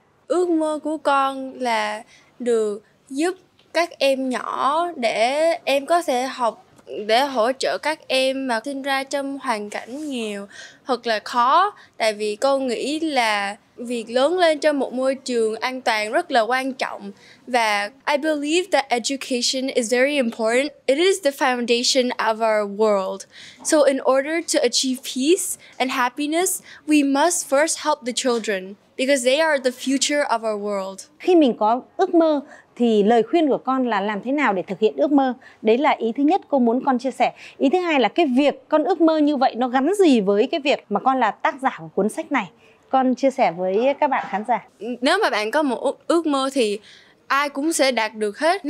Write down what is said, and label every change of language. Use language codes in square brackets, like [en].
[vi] Ước mơ của con là được giúp các em nhỏ để em có thể học, để hỗ trợ các em mà sinh ra trong hoàn cảnh nghèo thật là khó. Tại vì con nghĩ là việc lớn lên trong một môi trường an toàn rất là quan trọng. Và [en] I believe that education is very important. It is the foundation of our world. So in order to achieve peace and happiness, we must first help the children, because they are the future of our world. [vi] Khi mình có ước mơ thì lời khuyên của con là làm thế nào để thực hiện ước mơ. Đấy là ý thứ nhất cô muốn con chia sẻ. Ý thứ hai là cái việc con ước mơ như vậy nó gắn gì với cái việc mà con là tác giả của cuốn sách này. Con chia sẻ với các bạn khán giả. Nếu mà bạn có một ước mơ thì ai cũng sẽ đạt được hết.